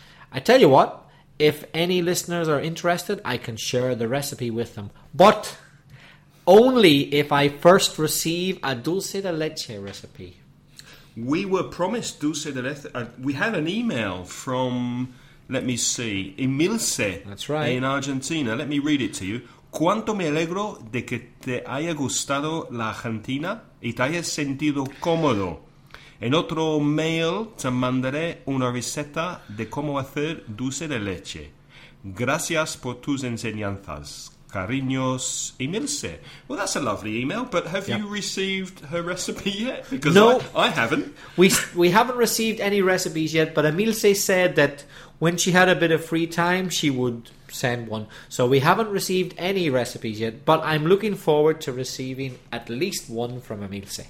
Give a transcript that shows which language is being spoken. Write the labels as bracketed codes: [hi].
[en] I tell you what, if any listeners are interested, I can share the recipe with them. But only if I first receive a dulce de leche recipe. We were promised dulce de leche. We had an email from, let me see, Emilce. That's right. In Argentina. Let me read it to you. [es] ¿Cuánto me alegro de que te haya gustado la Argentina y te hayas sentido cómodo? En otro mail te mandaré una receta de cómo hacer dulce de leche. Gracias por tus enseñanzas. Cariños, Emilce. [en] Well, that's a lovely email, but have you received her recipe yet? Because no, I haven't. We haven't received any recipes yet, but Emilce said that when she had a bit of free time, she would send one. So we haven't received any recipes yet, but I'm looking forward to receiving at least one from Emilce.